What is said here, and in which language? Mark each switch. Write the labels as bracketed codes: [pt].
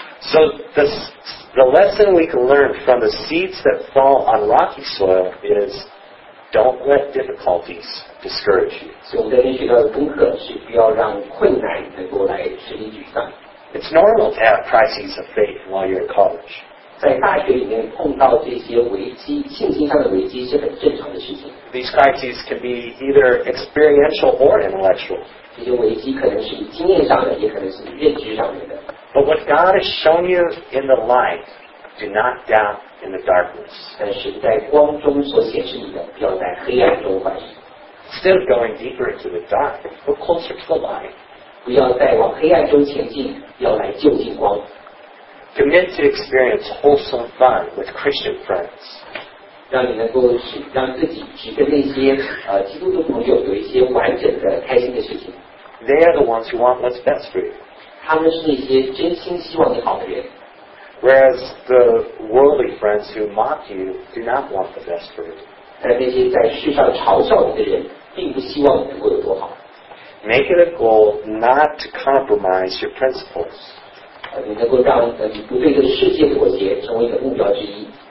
[en] So the lesson we can learn from the seeds that fall on rocky soil is. Don't let difficulties discourage you. [zh] So, 我们在学到的功课是不要让困难能够来使你沮丧。 [en] It's normal to have crises of faith while you're in college. [zh] 在大学里面碰到这些危机，信心上的危机是很正常的事情。 [en] These crises can be either experiential or intellectual. [zh] 这些危机可能是经验上的，也可能是认知上面的。 [en] But what God has shown you in the light, do not doubt. In the darkness. [zh] 但是在光中所显示你的，不要在黑暗中怀疑。 [en] Instead of going deeper into the dark, go closer to the light. [zh] 不要再往黑暗中前进，要来就近光。 [en] Commit to experience wholesome fun with Christian friends. [zh] 让你能够去让自己去跟那些基督徒朋友有一些完整的开心的事情。 [en] They are the ones who want what's best for you. [zh] 他们是那些真心希望你好的人。 [en] Whereas the worldly friends who mock you do not want the best for you. [zh] 但那些在世上嘲笑你的人并不希望你能够有多好。 [en] Make it a goal not to compromise your principles. [zh] 你能够让你不对这个世界妥协成为你的目标之一。